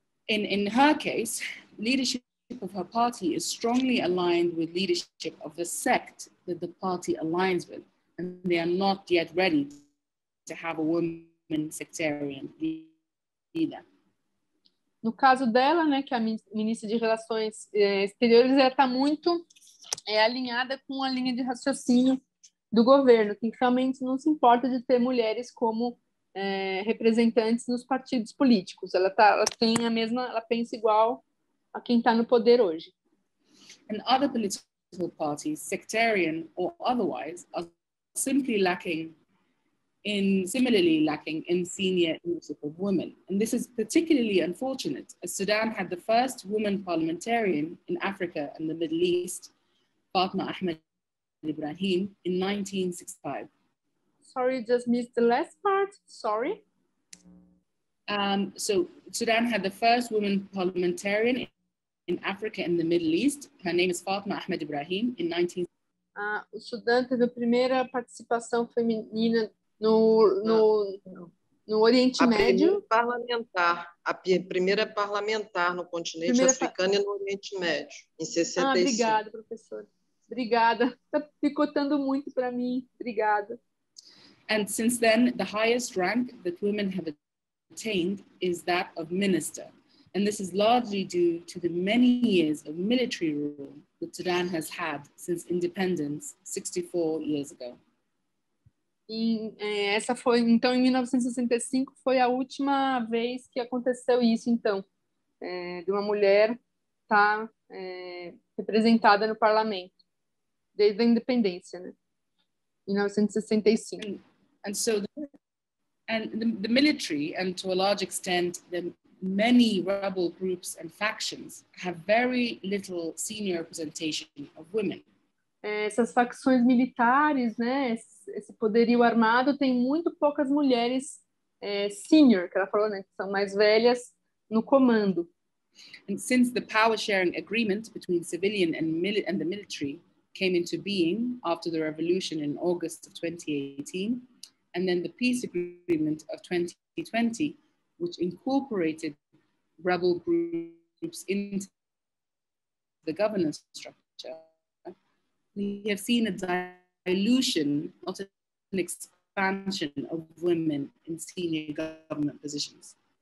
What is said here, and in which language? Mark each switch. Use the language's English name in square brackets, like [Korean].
[English] In her case, leadership of her party is strongly aligned with leadership of the sect that the party aligns with, and they are not yet ready to have a woman sectarian leader. [Portuguese] No caso dela, né, que a ministra de Relações Exteriores, ela está muito alinhada com a linha de raciocínio do governo, que realmente não se importa de ter mulheres como representantes nos partidos políticos. Ela pensa igual a quem está no poder hoje. [English] And other political parties, sectarian or otherwise, are simply lacking in senior leadership of women. And this is particularly unfortunate, as Sudan had the first woman parliamentarian in Africa and the Middle East, Fatma Ahmed Ibrahim, in 1965. Sorry, just missed the last part. Sorry. So Sudan had the first woman parliamentarian in Africa and the Middle East. Her name is Fatma Ahmed Ibrahim in 19. [Portuguese] O Sudan teve a primeira participação feminina no Oriente Médio. A primeira parlamentar no continente africano e no Oriente Médio em 65. Obrigada, professora. Obrigada. Está picotando muito para mim. Obrigada. [English] And since then, the highest rank that women have attained is that of minister. And this is largely due to the many years of military rule that Sudan has had since independence 64 years ago. [Portuguese] Então, em 1965, foi a última vez que aconteceu isso, então, de uma mulher estar representada no parlamento, desde a independência, né? 1965. [English] And so the military, and to a large extent, the many rebel groups and factions have very little senior representation of women. [Portuguese] Essas facções militares, né, esse poderio armado, tem muito poucas mulheres senior, que ela falou, né, que são mais velhas no comando. [English] And since the power-sharing agreement between civilian and the military came into being after the revolution in August of 2018, and then the peace agreement of 2020, which incorporated rebel groups into the governance structure, we have seen a dilution, not an expansion, of women in senior government positions.